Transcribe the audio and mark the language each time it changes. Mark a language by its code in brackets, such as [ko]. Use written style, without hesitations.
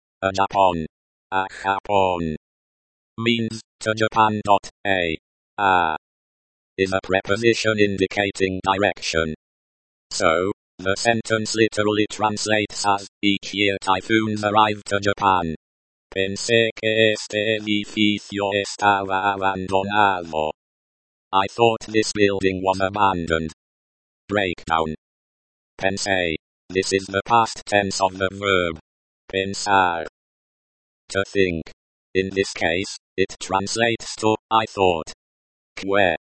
[es] A Japón. A Japón. [en] Means, to Japan. [es] A. [en] A. Is a preposition indicating direction. So, the sentence literally translates as, each year typhoons arrive to Japan. [es] Pensé que este edificio estaba abandonado. [en] I thought this building was abandoned. Breakdown. [es] Pensé. [en] This is the past tense of the verb. [es] Pensar. [en] To think. In this case, it translates to, I thought. [es] Que.